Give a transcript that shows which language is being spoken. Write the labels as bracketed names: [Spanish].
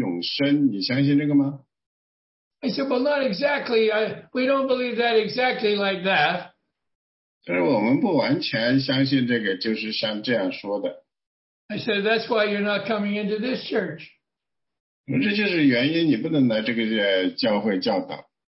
[Chinese] 然后呢，我就跟他翻出一节圣经的经文来说，我说这个经文说，如果你相信主耶稣基督是基督的话，那么你就有永生。你相信这个吗？ [English] I said, "Well, not exactly. We don't believe that exactly like that." [Chinese] 但是我们不完全相信这个，就是像这样说的。 [English] I said, "That's why you're not coming into this church." [Chinese] 这就是原因，你不能来这个教会教导。